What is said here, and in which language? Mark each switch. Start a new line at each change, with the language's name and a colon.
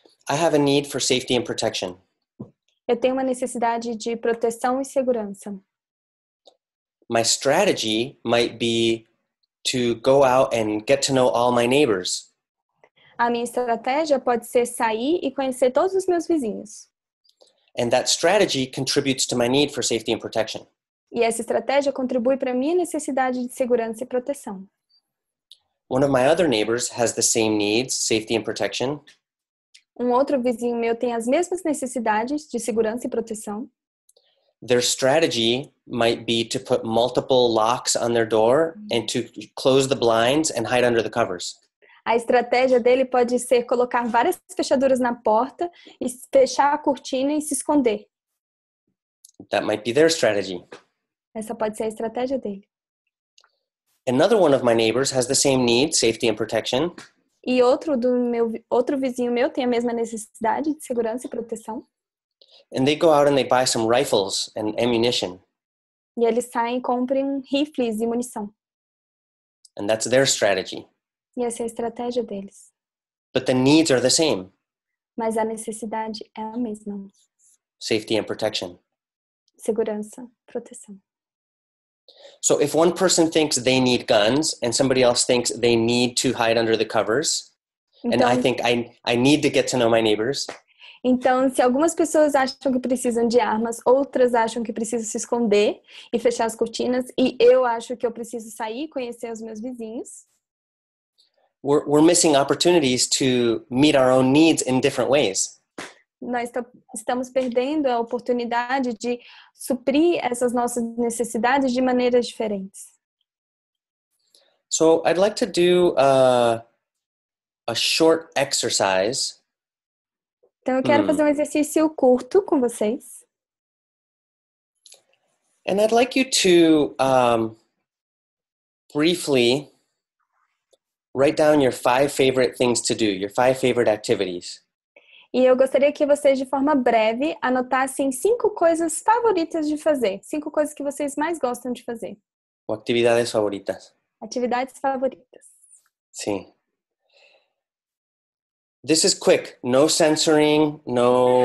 English: I have a need for safety and protection.
Portuguese: Eu tenho uma necessidade de proteção e segurança.
English: My strategy might be to go out and get to know all my neighbors.
Portuguese: A minha estratégia pode ser sair e conhecer todos os meus vizinhos.
English: And that strategy contributes to my need for safety and protection.
Portuguese: E essa estratégia contribui para a minha necessidade de segurança e proteção.
English: One of my other neighbors has the same needs, safety and protection.
Portuguese: Um outro vizinho meu tem as mesmas necessidades de segurança e proteção.
English: Their strategy might be to put multiple locks on their door and to close the blinds and hide under the covers.
Portuguese: A estratégia dele pode ser colocar várias fechaduras na porta, e fechar a cortina e se esconder.
English: That might be their strategy.
Portuguese: Essa pode ser a estratégia dele.
English: Another one of my neighbors has the same need, safety and protection.
Portuguese: E outro vizinho meu tem a mesma necessidade de segurança e proteção.
English: And they go out and they buy some rifles and ammunition.
Portuguese: E eles saem e compram rifles e munição.
English: And that's their strategy.
Portuguese: E essa é a estratégia deles.
English: But the needs are the same.
Portuguese: Mas a necessidade é a mesma.
English: Safety and protection.
Portuguese: Segurança, proteção.
English: So if one person thinks they need guns and somebody else thinks they need to hide under the covers, and I think I need to get to know my neighbors.
Portuguese: Então, se algumas pessoas acham que precisam de armas, outras acham que precisam se esconder e fechar as cortinas, e eu acho que eu preciso sair e conhecer os meus vizinhos.
English: We're missing opportunities to meet our own needs in different ways.
Portuguese: Nós estamos perdendo a oportunidade de suprir essas nossas necessidades de maneiras diferentes.
English: So, I'd like to do a short exercise.
Portuguese: Então, eu quero fazer um exercício curto com vocês.
English: And I'd like you to briefly write down your five favorite things to do, your five favorite activities.
Portuguese: E eu gostaria que vocês, de forma breve, anotassem cinco coisas favoritas de fazer. Cinco coisas que vocês mais gostam de fazer. Ou atividades favoritas. Atividades favoritas. Sim.
English: This is quick. No censoring, no...